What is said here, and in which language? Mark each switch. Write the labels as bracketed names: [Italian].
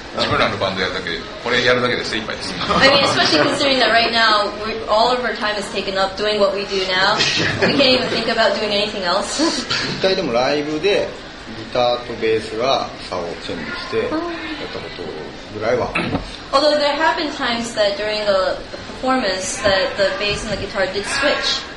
[English] I mean, especially considering that right now all of our time is taken up doing what we do now. We can't even think about doing anything else. [Japanese] 一回でもライブでギターとベースが差をチェンジしてやったことぐらいはあります。 [English] Although there have been times that during the performance that the bass and the guitar did switch.